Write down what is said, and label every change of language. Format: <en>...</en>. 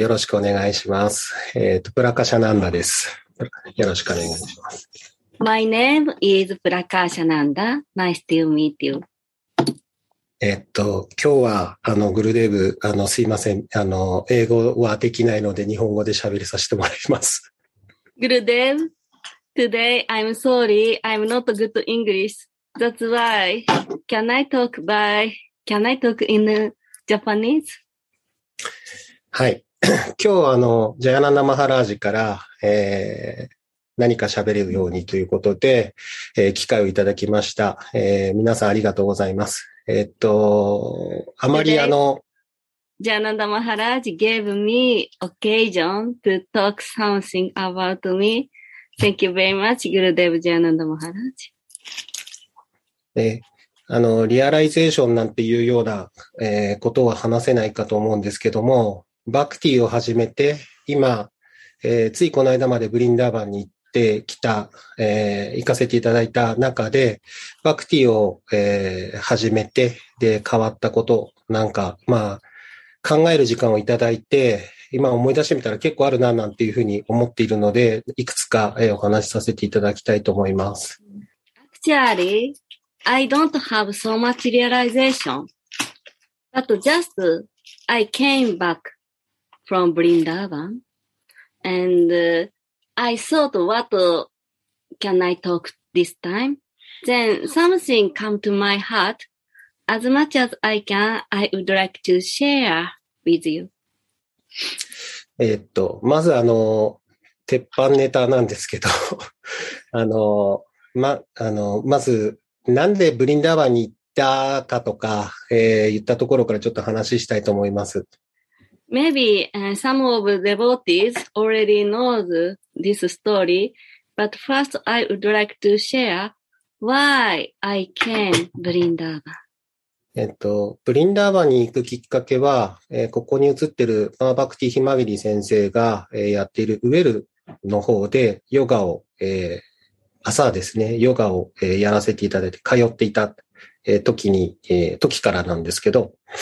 <ja>よろしくお願いします。プラカシャナンダです。よろしくお願いします。</ja> <en>My name is プラカシャナンダ。Nice to meet you.</en> <ja>今日は、グルデブ、すいません。英語はできないので、日本語で喋りさせてもらいます。</ja> <en>グルデブ、Today, I'm sorry. I'm not good English. That's why, can I talk in Japanese?</en> <ja>はい。今日は、ジャヤナナマハラージから、何か喋れるようにということで、機会をいただきました。皆さんありがとうございます。あまり、</ja> <en>Jayananda Maharaj gave me occasion to talk something about me. Thank you very much, Gurudev Jayananda Maharaj.</en> <ja>リアライゼーションなんていうような、ことは話せないかと思うんですけども、バクティを始めて、今、ついこの間までブリンダーバンに行ってきた、行かせていただいた中で、バクティを、始めて、で、変わったことなんか、まあ、考える時間をいただいて、今思い出してみたら結構あるな、なんていうふうに思っているので、いくつか、お話しさせていただきたいと思います。</ja> <en>Actually, I don't have so much realization, but just I came back from Vrindavan, and I thought, what can I talk this time? Then something come to my heart. As much as I can, I would like to share. With you.</en> <ja>まず鉄板ネタなんですけど、まず、なんでブリンダーバンに行ったかとか、言ったところからちょっと話したいと思います。</ja> <en>Maybe, some of the devotees already knows this story, but first I would like to share why I came ブリンダーバン。</en> <ja>ブリンダーバンに行くきっかけは、ここに映ってるマーバクティ・ヒマビリ先生が、やっているウェルの方でヨガを、朝ですね、ヨガを、やらせていただいて通っていた、時に、時からなんですけど。</ja>